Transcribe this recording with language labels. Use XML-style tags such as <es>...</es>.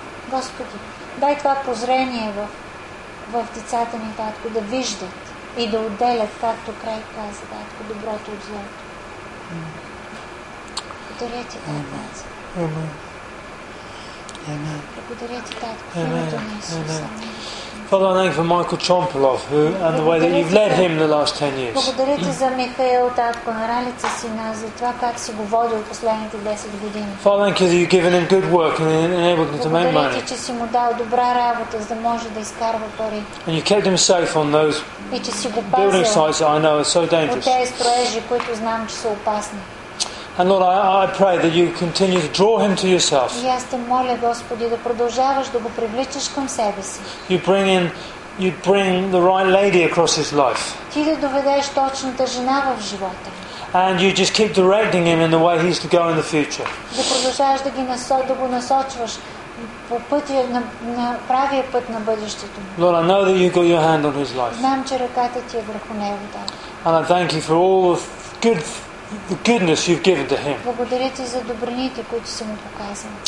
<bg>Господи, дай това прозрение в децата ни, Татко, да виждат и да отделят, както край каза, Татко, доброто от злото. Благодаря ти, Татенце. Амин. Благодаря ти, Татко, в името на Исуса. Амин.</bg> <en>Father, I thank you for Michael Chompilov, who and the way that you've led him the last 10 years.</en> <bg>Благодаря ти за Михаил, татко, на ралица сина, за това как си го водил последните 10 години.</bg> <en>Father, thank you that you've given him good work and enabled him to make money.</en> <bg>Благодаря ти, че си му дал добра работа, за да може да изкарва пари.</bg> <en>And you kept him safe on those building sites that I know are so dangerous.</en> <bg>От тези строежи, които знам, че са опасни.</bg> <en>And Lord, I pray that you continue to draw him to yourself.</en> <bg>И аз те моля, Господи, да продължаваш да го привличаш към себе си.</bg> <en>You bring the right lady across his life.</en> <bg>Ти да доведеш точната жена в живота.</bg> <en>And you just keep directing him in the way he's to go in the future.</en> <bg>Да продължаваш да го насочваш по пътя на правия път на бъдещето му.</bg> <en>Lord, I know that you've got your hand on his life.</en> <bg>Знам, че ръката ти е върху него, да.</bg> <en>And I thank you for all the good the goodness you've given to him.</en> <bg>Благодаря ти за добрините, които си му показал.</bg>